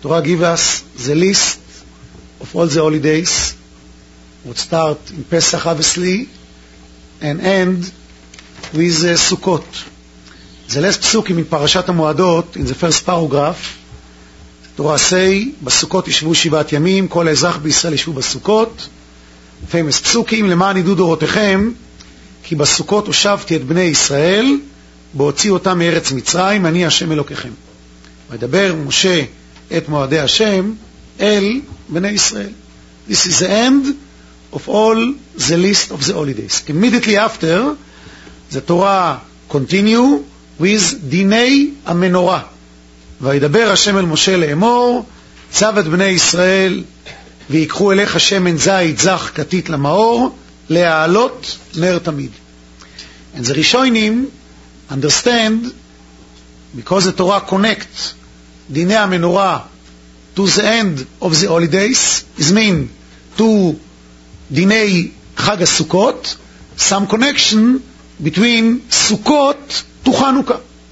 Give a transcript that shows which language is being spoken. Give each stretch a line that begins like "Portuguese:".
English: Torah give us the list of all the holidays, would start in Pesach obviously, and end with Sukkot. The last psukim in Parashat HaMuadot, in the first paragraph, Torah say,
Hebrew: בסוכות ישבו שבעת ימים, כל האזרח בישראל ישבו בסוכות.
English: Famous psukim,
Hebrew: למען ידעו דורותיכם, כי בסוכות הושבתי את בני ישראל, בהוציא אותם מארץ מצרים, אני השם אלוקיכם. מדבר משה את מועדי השם אל בני ישראל.
English: This is the end of all the list of the holidays. Immediately after, the Torah continue with
Hebrew: דיני המנורה. וידבר השם אל משה לאמור, צב את בני ישראל, ויקחו אליך שמן זית זך כתית למאור, להעלות נר תמיד.
English: And the ראשונים, understand, because the Torah connects Dinei HaMenorah to the end of the holidays, is mean to Dinei Chag HaSukkot, some connection between Sukkot to Hanukkah.